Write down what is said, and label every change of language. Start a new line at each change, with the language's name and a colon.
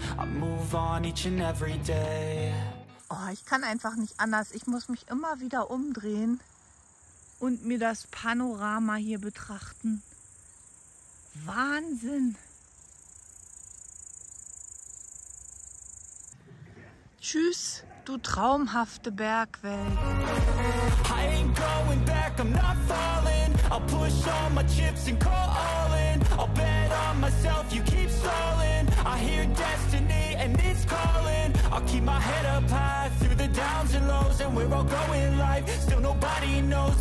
English: I move on each and every day.
German: Oh, ich kann einfach nicht anders. Ich muss mich immer wieder umdrehen und mir das Panorama hier betrachten. Wahnsinn! Tschüss, du traumhafte Bergwelt.
English: I ain't going back, I'm not falling. I'll push all my chips and call all in. I'll bet on myself, you keep stalling. I hear destiny and it's calling. I'll keep my head up high through the downs and lows. And we're all going live, still nobody knows.